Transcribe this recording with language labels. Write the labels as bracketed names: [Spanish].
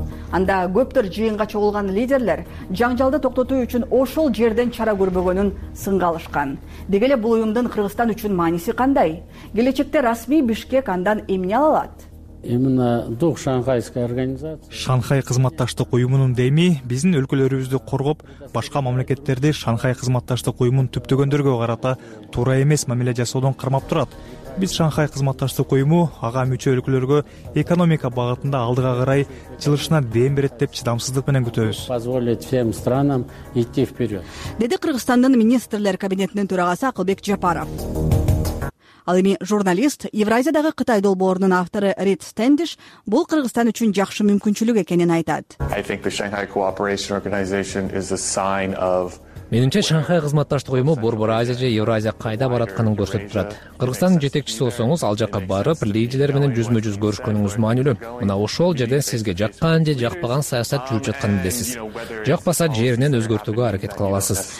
[Kyrgyz] Анда көптөр жыйынга чогулган лидерлер жаңжалды токтотуу үчүн ошол жерден чара көрбөгөнүн сынга алышкан. Деги эле бул уюмдун Кыргызстан үчүн мааниси кандай? Келечекте расмий Бишкек андан эмне ала алат? [Russian] Именно дух Шанхайской организации. [Kyrgyz] Шанхай кызматташтык уюмунун дейми биздин өлкөлөрүбүздү коргоп, башка мамлекеттерди Шанхай кызматташтык уюмун түптөгөндөргө карата туура эмес мамиле жасоодон кармап турат. Биз Шанхай кызматташтык уюму ага мүчө өлкөлөргө экономика багытында алдыга карай жылышына дем берет деп чыдамсыздык менен күтөбүз. [Russian] Позволит всем странам идти вперед. [Kyrgyz] Деди Кыргызстандын министрлер кабинетинин төрагасы Акылбек Жапаров. Ал эми журналист, Евразиядагы Кытай долбоорунун автору Рид Стендиш бул Кыргызстан үчүн жакшы мүмкүнчүлүк экенин айтат. [English] I think the Shanghai Cooperation Organization is a sign of. [Kyrgyz] Менинче Шанхай кызматташтык уюму Борбор Азия же Евразия кайда баратканын көрсөтүп турат. Кыргызстандын жетекчиси болсоңуз, ал жакка барып, лидерлер менен жүзмө-жүз көрүшкөнүңүз маанилүү. Мына ошол жерден сизге жаккан же жакпаган саясат жүрүп жатканын билесиз. Жакпаса жеринен өзгөртүүгө аракет кыла аласыз.